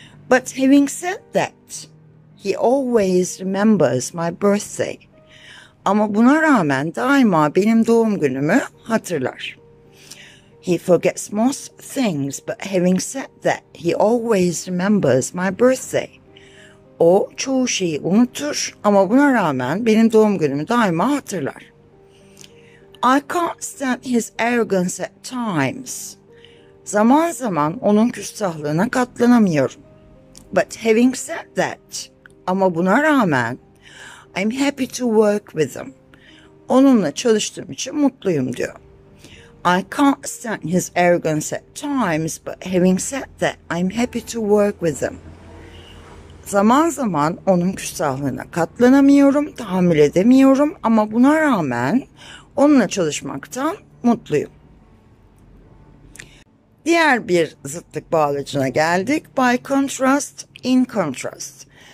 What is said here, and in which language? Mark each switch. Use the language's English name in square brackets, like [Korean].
[English] But having said that, he always remembers my birthday. [Turkish] Ama buna rağmen daima benim doğum günümü hatırlar. [English] He forgets most things, but having said that, he always remembers my birthday. [Turkish] O çoğu şeyi unutur ama buna rağmen benim doğum günümü daima hatırlar. [English] I can't stand his arrogance at times. [Turkish] Zaman zaman onun küstahlığına katlanamıyorum. [English] But having said that, [Turkish] ama buna rağmen, [English] I'm happy to work with him. [Turkish] Onunla çalıştığım için mutluyum diyor. [English] I can't stand his arrogance at times, but having said that, I'm happy to work with him. [Turkish] Zaman zaman onun küstahlığına katlanamıyorum, tahammül edemiyorum ama buna rağmen onunla çalışmaktan mutluyum. Diğer bir zıtlık bağlacına geldik. By contrast, in contrast.